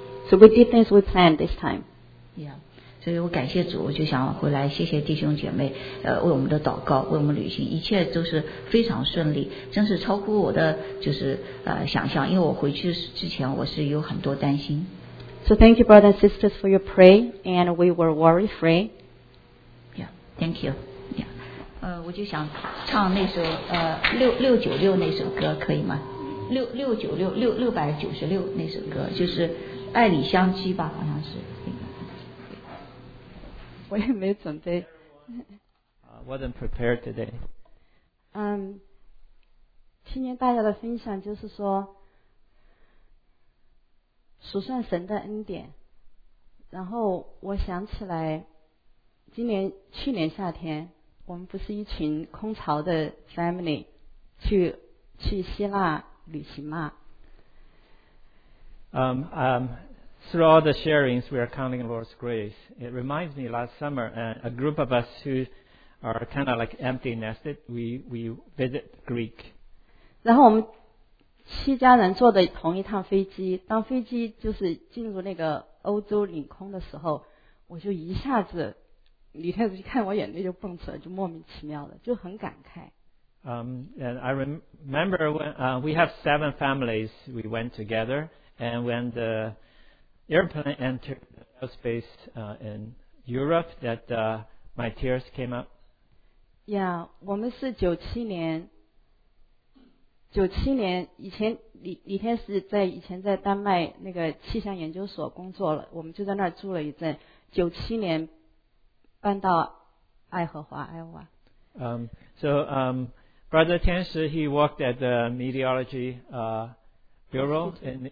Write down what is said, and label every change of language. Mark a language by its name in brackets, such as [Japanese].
[English] So we did things we planned this time. Yeah. [Chinese] 所以我感谢主我就想回来谢谢弟兄姐妹为我们的祷告为我们旅行一切都是非常顺利真是超乎我的就是想象因为我回去之前我是有很多担心 [English] So thank you brothers and sisters for your prayer and we were worry free Yeah, thank you Yeah, [Chinese] 我就想唱那首6696那首歌可以吗？ 6696那首歌就是爱里相击吧，好像是。我也没准备。 [English] Wasn't prepared today. [Chinese] 听见大家的分享，就是说数算神的恩典，然后我想起来去年夏天我们不是一群空巢的 family 去希腊旅行吗？ [English] Through all the sharings we are counting Lord's grace. It reminds me last summer a group of us who are kind of like empty nested, we visit Greek. [Chinese] 然后我们七家人坐的同一趟飞机，当飞机就是进入那个欧洲领空的时候，我就一下子李太子一看我眼泪就蹦出来，就莫名其妙的，就很感慨。 [English] And I remember when we have 7 families, we went together, and when the airplane entered the airspace in Europe, that my tears came up. [Chinese] Yeah, 我们是九七年以前李天是在以前在丹麦那个气象研究所工作了，我们就在那儿住了一阵。九七年搬到爱荷华 ，Iowa。 [English] Brother Tianshi, he worked at the meteorology bureau in